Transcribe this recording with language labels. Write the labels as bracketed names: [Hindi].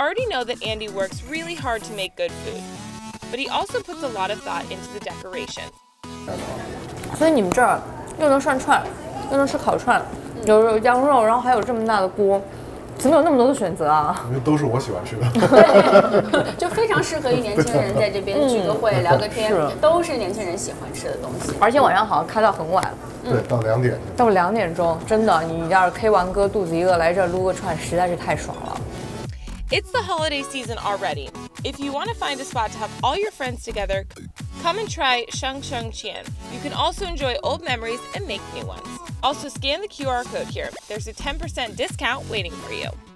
[English] Know that Andy works really hard to make good food, but he also puts a lot of thought into the decoration. [Chinese] 所以你们这儿又能涮串，又能吃烤串，有羊肉，然后还有这么大的锅，怎么有那么多的选择啊？那都是我喜欢吃的。对，就非常适合于年轻人在这边聚个会、聊个天，都是年轻人喜欢吃的东西。而且晚上好像开到很晚。对，到两点。到两点钟，真的，你要是 K 完歌，肚子一饿，来这儿撸个串，实在是太爽了。 [English] It's the holiday season already. If you want to find a spot to have all your friends together, come and try Shang Shang Qian. You can also enjoy old memories and make new ones. Also, scan the QR code here. There's a 10% discount waiting for you.